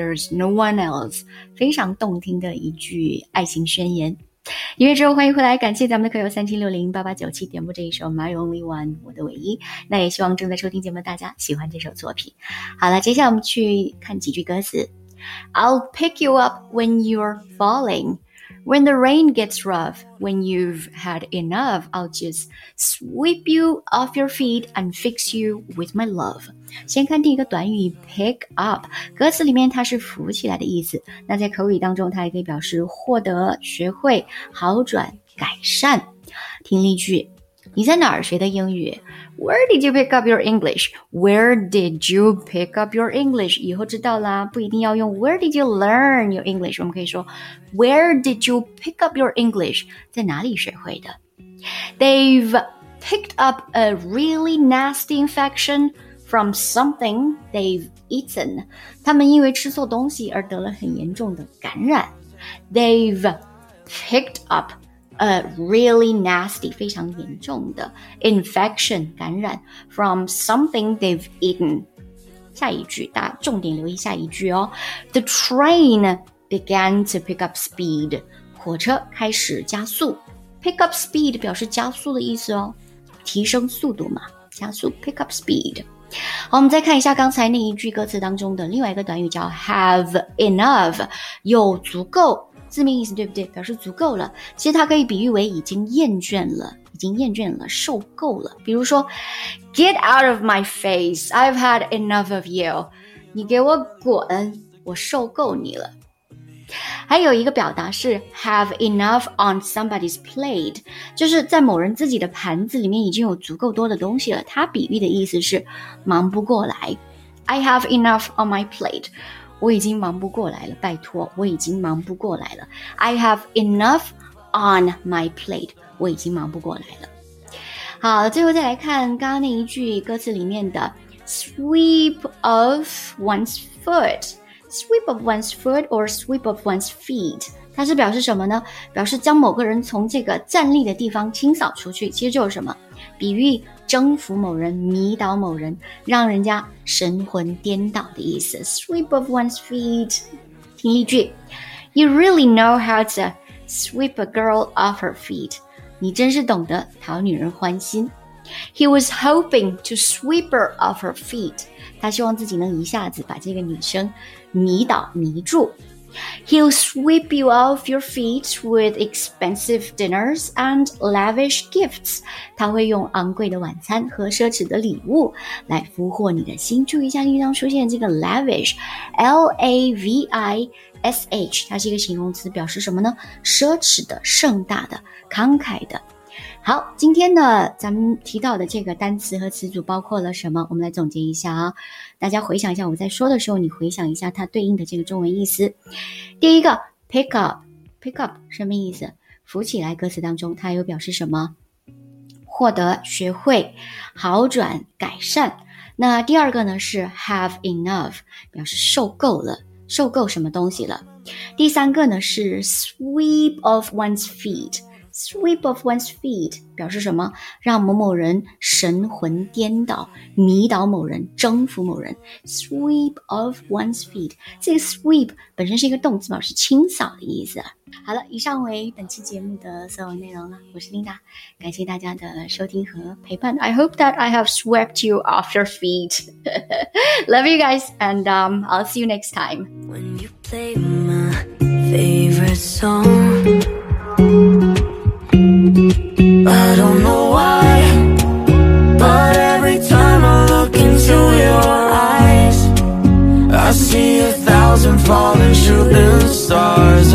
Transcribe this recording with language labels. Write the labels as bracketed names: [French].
[English] No one else， [Chinese] 非常动听的一句爱情宣言。音乐之后欢迎回来，感谢咱们的客友37608897点播这一首 My Only One， 我的唯一。那也希望正在收听节目大家喜欢这首作品。好了，接下来我们去看几句歌词。 [English] I'll pick you up when you're falling. When the rain gets rough, when you've had enough, I'll just sweep you off your feet and fix you with my love. [Chinese] 先看第一个短语 pick up， 歌词里面它是扶起来的意思，那在口语当中它也可以表示获得、学会、好转、改善。听例句，你在哪儿学的英语？ [English] Where did you pick up your English? Where did you pick up your English? [Chinese] 以后知道啦，不一定要用 [English] Where did you learn your English， [Chinese] 我们可以说 [English] Where did you pick up your English? [Chinese] 在哪里学会的？ [English] They've picked up a really nasty infectionFrom something they've eaten. [Chinese] 他们因为吃错东西而得了很严重的感染。 [English] They've picked up really nasty, [Chinese] 非常严重的 [English] infection, [Chinese] 感染 [English] from something they've eaten. [Chinese] 下一句，大家重点留意下一句哦。 [English] The train began to pick up speed. [Chinese] 火车开始加速。 Pick up speed 表示加速的意思哦。提升速度嘛，加速 pick up speed。好，我们再看一下刚才那一句歌词当中的另外一个短语叫 have enough, 有足够。字面意思对不对？表示足够了。其实它可以比喻为已经厌倦了，已经厌倦了，受够了。比如说 [English] ，Get out of my face! I've had enough of you. [Chinese] 你给我滚，我受够你了。还有一个表达是 have enough on somebody's plate, 就是在某人自己的盘子里面已经有足够多的东西了。它比喻的意思是忙不过来。 [English] I have enough on my plate. [Chinese] 我已经忙不过来了，拜托，我已经忙不过来了。 [English] I have enough on my plate. [Chinese] 我已经忙不过来了。好，最后再来看刚刚那一句歌词里面的 sweep of one's foot, sweep of one's foot or sweep of one's feet. 它是表示什么呢？表示将某个人从这个站立的地方清扫出去。其实就是什么？比喻征服某人，迷倒某人，让人家神魂颠倒的意思。 [English] Sweep of one's feet. [Chinese] 听例句。 [English] You really know how to sweep a girl off her feet. [Chinese] 你真是懂得讨女人欢心。 [English] He was hoping to sweep her off her feet. [Chinese] 他希望自己能一下子把这个女生迷倒迷住。 [English] He'll sweep you off your feet with expensive dinners and lavish gifts. [Chinese] 他会用昂贵的晚餐和奢侈的礼物来俘获你的心。注意一下例上出现这个 lavish, L-A-V-I-S-H, 它是一个形容词，表示什么呢？奢侈的、盛大的、慷慨的。好，今天呢，咱们提到的这个单词和词组包括了什么？我们来总结一下啊。大家回想一下，我在说的时候，你回想一下它对应的这个中文意思。第一个 ，pick up，pick up 什么意思？扶起来，歌词当中它有表示什么？获得、学会、好转、改善。那第二个呢是 have enough， 表示受够了，受够什么东西了。第三个呢是 sweep of one's feet。 Sweep of one's feet 表示什么？让某某人神魂颠倒，迷倒某人，征服某人。 Sweep of one's feet 这个 sweep 本身是一个动词，表示清扫的意思。好了，以上为本期节目的所有内容了。我是 Linda， 感谢大家的收听和陪伴。 [English] I hope that I have swept you off your feet. Love you guys, and I'll see you next time. When you play my favorite song. I don't know why, but every time I look into your eyes, I see a thousand falling shooting stars.